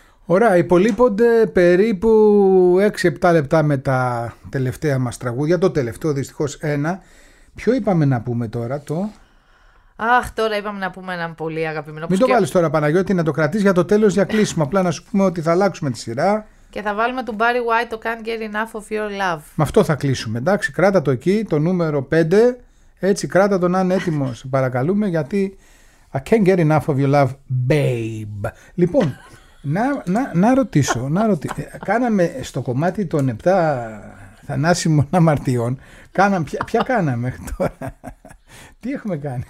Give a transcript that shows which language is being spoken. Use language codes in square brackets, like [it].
[el] Ωραία, υπολείπονται περίπου 6-7 λεπτά με τα τελευταία μας τραγούδια, το τελευταίο δυστυχώς ένα. Ποιο είπαμε να πούμε τώρα το? Αχ, τώρα είπαμε να πούμε έναν πολύ αγαπημένο. Μην το βάλεις τώρα Παναγιώτη, να το κρατήσεις για το τέλος για κλείσιμο, απλά να σου πούμε ότι θα αλλάξουμε τη σειρά. Και θα βάλουμε του Barry White το Can't Get Enough of Your Love. Με αυτό θα κλείσουμε, εντάξει, κράτα το εκεί, το νούμερο 5, έτσι κράτα το να είναι έτοιμο, σε παρακαλούμε, γιατί [en] I can't get enough of your love, babe. [el] Λοιπόν. Να ρωτήσω, κάναμε στο κομμάτι των 7 θανάσιμων αμαρτιών, ποια κάναμε τώρα, τι έχουμε κάνει?